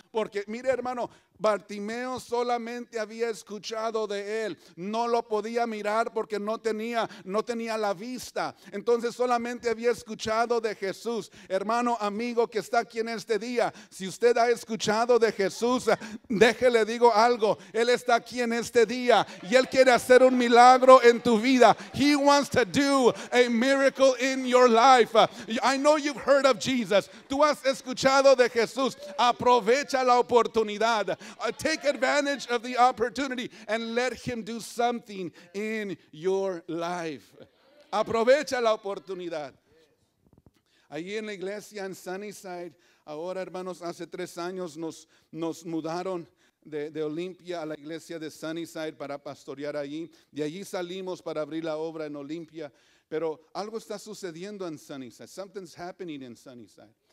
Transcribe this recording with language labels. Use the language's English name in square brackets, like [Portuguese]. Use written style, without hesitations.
[Spanish] Porque, mire, hermano, Bartimeo solamente había escuchado de él, no lo podía mirar porque no tenía la vista. Entonces solamente había escuchado de Jesús. Hermano, amigo que está aquí en este día, si usted ha escuchado de Jesús, déjele digo algo. Él está aquí en este día y él quiere hacer un milagro en tu vida. [English] He wants to do a miracle in your life. I know you've heard of Jesus. [Spanish] Tú has escuchado de Jesús. Aprovecha la oportunidad. [English] Take advantage of the opportunity and let him do something in your life. [Spanish] Aprovecha la oportunidad. Allí en la iglesia en Sunnyside, ahora hermanos, hace 3 años nos mudaron de Olympia a la iglesia de Sunnyside para pastorear allí. De allí salimos para abrir la obra en Olympia. Pero algo está sucediendo en Sunnyside. [English] Something's happening in Sunnyside.